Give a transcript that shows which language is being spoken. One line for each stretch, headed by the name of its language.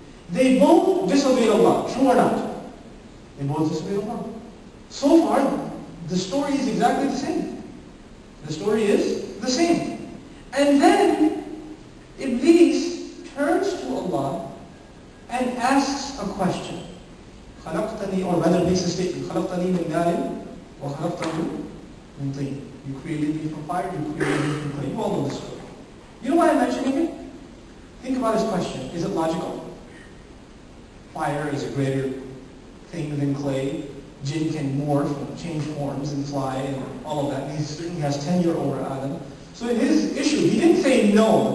English: They both disobeyed Allah, true or not? They both disobeyed Allah. So far, the story is exactly the same. The story is the same. And then Iblis turns to Allah and asks a question.
Arabic: خَلَقْتَنِي,
English: or rather makes a statement,
Arabic: خَلَقْتَنِي مِنْ نَارٍ وَخَلَقْتَهُ مِنْ طِينٍ.
English: You created me from fire, you created me from clay. You all know this story. You know why I'm mentioning it? Think about his question. Is it logical? Fire is a greater thing than clay. Jinn can morph and change forms and fly and all of that. He certainly has tenure over Adam. So in his issue, he didn't say no.